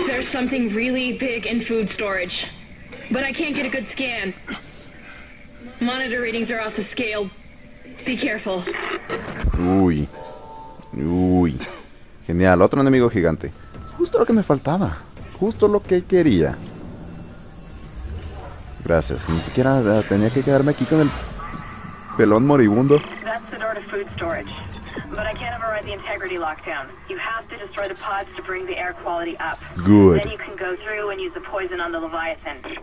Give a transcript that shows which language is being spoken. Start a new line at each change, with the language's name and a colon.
English: There's something really big in food storage, but I can't get a good scan. Monitor readings are off the scale. Be careful. Uy.
Spanish: Genial, otro enemigo gigante. Justo lo que me faltaba. Justo lo que quería. Gracias, ni siquiera tenía que quedarme aquí con el pelón moribundo.
English: That's the door to food storage. But I can't override the integrity lockdown. You have to destroy the pods to bring the air quality up. Good. Then you can go through and use the poison on the Leviathan.